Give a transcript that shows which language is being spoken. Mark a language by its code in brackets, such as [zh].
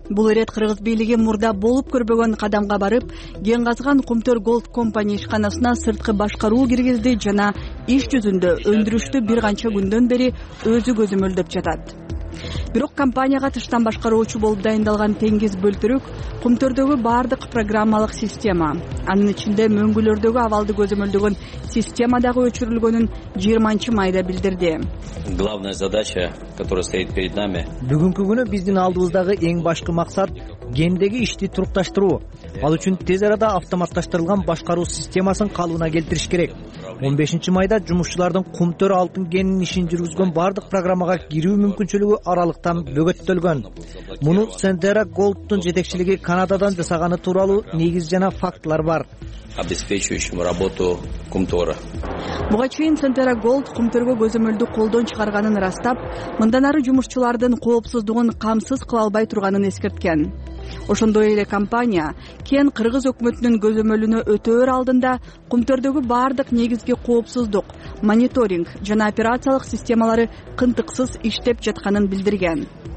[ky] Бул ирет кыргыз бийлиги мурда болуп көрбөгөн кадамга барып, кен казган Кумтор Gold Company ишканасына сырткы башкаруу киргизди жана иш жүзүндө өндүрүштү бир канча күндөн бери өзү көзөмөлдөп жатат. Бирок компанияга тыштан башкаруучу болуп дайындалган теңиз бөлтүрүк, кумтордогу бардык программалык система, анын ичинде мөңгүлөрдөгү абалды көзөмөлдөгөн система дагы өчүрүлгөнүн 20 майда билдирди. [ru] Главная задача, которая стоит перед нами. [ky] Бүгүнкү күнү биздин алдыбыздагы эң башкы максат кендеги ишти турукташтыруу. Ал үчүн тез арада автоматташтырылган башкаруу системасын калыбына келтириш керек. 15 майда жумушчулардын кумтор алтын кенин ишин жүргүзгөн бардык программага кирүү мүмкүнчүлүгү аралыктан бөгөттөлгөн. Муну Сендера Голдтун жетекчилиги Канададан жасаганы тууралуу негиз жана фактылар бар. [ru] Обеспечивающим работу кумтора. [ky] Буга чейин Сентера Голд кумторго көзөмөлдү колдон чыгарганын ырастап, мындан ары жумушчулардын коопсуздугун камсыз кыла албай турганын эскерткен. Ошондой эле компания кен кыргыз өкмөтүнүн көзөмөлүнө өтөөр алдында кумтордогу бардык негизги коопсуздук, мониторинг жана операциялык системалары кынтыксыз иштеп жатканын билдирген.